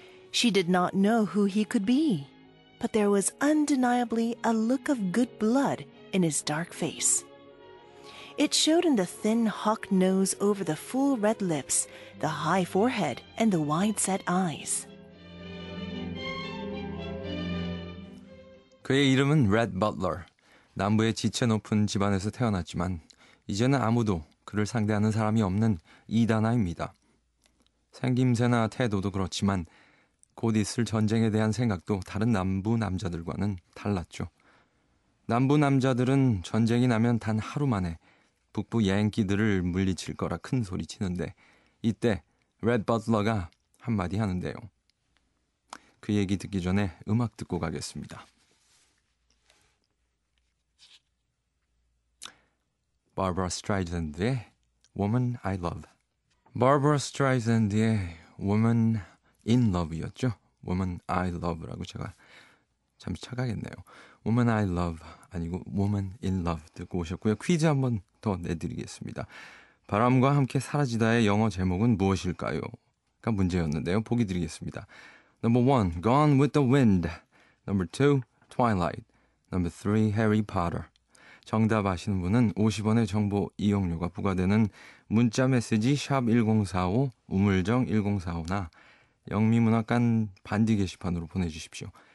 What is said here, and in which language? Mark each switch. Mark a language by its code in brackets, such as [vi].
[en] She did not know who he could be, but there was undeniably a look of good blood in his dark face. It showed in the thin hawk nose over the full red lips, the high forehead, and the wide-set eyes. [ko] 그의 이름은 Red Butler. 남부의 지체 높은 집안에서 태어났지만 이제는 아무도 그를 상대하는 사람이 없는 이단아입니다. 생김새나 태도도 그렇지만 곧 있을 전쟁에 대한 생각도 다른 남부 남자들과는 달랐죠. 남부 남자들은 전쟁이 나면 단 하루 만에 북부 양키들을 물리칠 거라 큰 소리 치는데 이때 Red Butler가 한마디 하는데요. 그 얘기 듣기 전에 음악 듣고 가겠습니다. 바버라 스트라이샌드의 Woman I Love. 바버라 스트라이샌드의 Woman in Love였죠. Woman I Love라고 제가 잠시 착각했네요. Woman I Love 아니고 Woman in Love 듣고 오셨고요. 퀴즈 한 번 더 내드리겠습니다. 바람과 함께 사라지다의 영어 제목은 무엇일까요? 가 문제였는데요. 보기 드리겠습니다. [en] Number 1, Gone with the Wind. Number 2, Twilight. Number 3, Harry Potter. [ko] 정답 아시는 분은 50원의 정보 이용료가 부과되는 문자 메시지 샵 1045, 우물정 1045나 영미문학관 반디 게시판으로 보내주십시오.